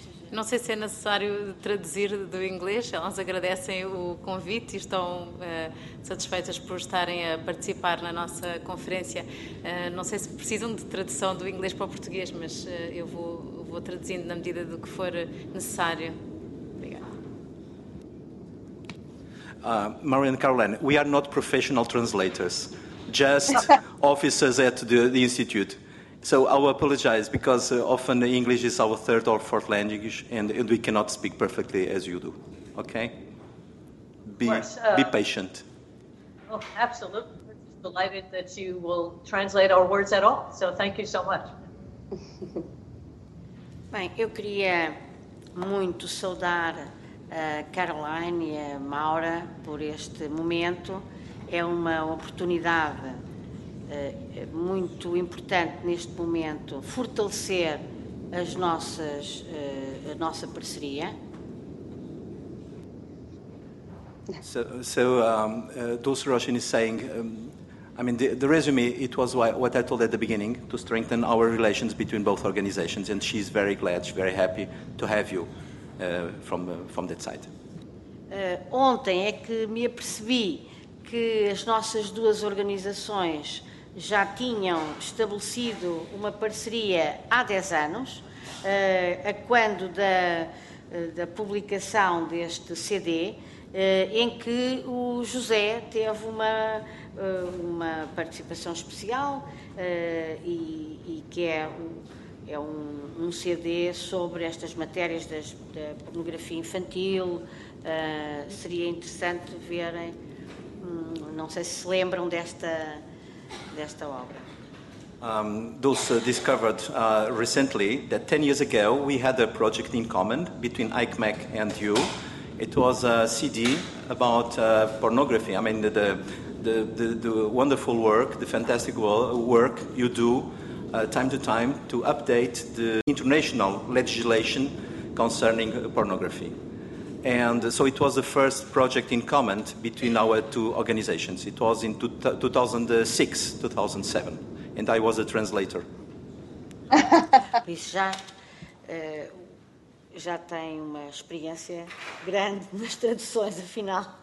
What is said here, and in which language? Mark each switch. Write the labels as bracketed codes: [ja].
[pt] Não sei se é necessário traduzir do inglês. Elas agradecem o convite e estão satisfeitas por estarem a participar na nossa conferência. Não sei se precisam de tradução do inglês para o português, mas eu vou traduzindo na medida do que for necessário. Obrigada. [en] Maria and Caroline, we are not professional translators, just officers at the institute. So I will apologize because often English is our third or fourth language and we cannot speak perfectly as you do, okay? Be patient. Oh, absolutely. We're just delighted that you will translate our words at all. So thank you so much. [pt] Bem, eu queria muito saudar a Caroline e a Maura por este momento. É uma oportunidade muito importante neste momento fortalecer as nossas a nossa parceria. [en] So Dulce Roshan is saying, I mean the resume, it was what I told at the beginning, to strengthen our relations between both organizations, and she's very glad, she's very happy to have you from that side. [pt] Ontem é que me apercebi que as nossas duas organizações já tinham estabelecido uma parceria há 10 anos, a quando da publicação deste CD, em que o José teve uma participação especial e que é um CD sobre estas matérias da pornografia infantil. Seria interessante verem, não sei se lembram desta obra. [en] Dulce discovered recently that 10 years ago we had a project in common between ICMEC and you. It was a CD about pornography. I mean the wonderful work, the fantastic work you do time to time to update the international legislation concerning pornography. And so it was the first project in common between our two organizations. It was in 2006, 2007, and I was a translator. [pt] Isso já tem uma experiência grande nas traduções, afinal.